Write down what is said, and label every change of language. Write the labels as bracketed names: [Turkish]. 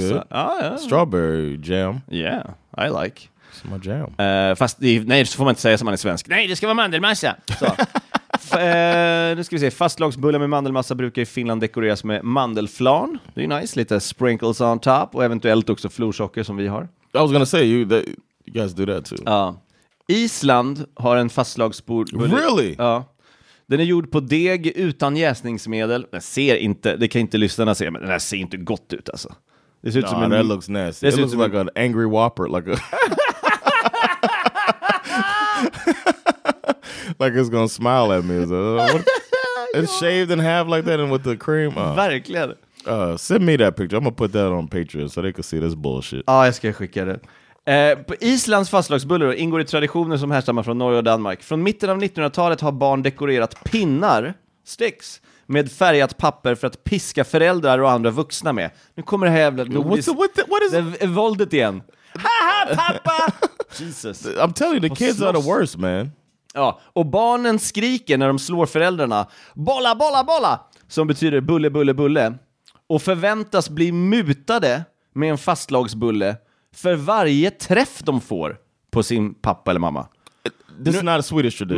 [English] Sounds good. Ah, yeah. Strawberry jam. Yeah, I like. It's my jam. [Swedish] Fast så får man inte säga som man är svensk. Nej, det ska vara mandelmassa. Så. nu ska vi se. Fastlagsbullar med mandelmassa brukar i Finland dekoreras med mandelflan. Det är nice, lite [English] sprinkles on top [Swedish] och eventuellt också florsocker som vi har. [English] I was gonna say you guys do that too. [Swedish] Island har en fastlagsbulle. [English] Really? [Swedish] Ja. Den är gjord på deg utan jäsningsmedel. Den ser inte, det kan inte lyssnarna se, men den här ser inte gott ut alltså. Det ser ut som en... [English] That looks nasty. It looks like an angry whopper. Like, like it's gonna smile at me. It's shaved in half like that and with the cream. [Swedish] Verkligen. [English] Send me that picture. I'm gonna put that on Patreon so they can see this bullshit. [Swedish] Ja, jag ska skicka det. På Islands fastlagsbullar ingår i traditioner som härstammar från Norge och Danmark. Från mitten av 1900-talet har barn dekorerat pinnar, sticks, med färgat papper för att piska föräldrar och andra vuxna med. Nu kommer det här jävla våldet igen. Haha, pappa! Jesus. [English] I'm telling you, the kids are the worst, man. [Swedish] Ja, och barnen skriker när de slår föräldrarna. Bolla, bolla, bolla! Som betyder bulle, bulle, bulle. Och förväntas bli mutade med en fastlagsbulle för varje träff de får på sin pappa eller mamma. [English] This is not a Swedish tradition.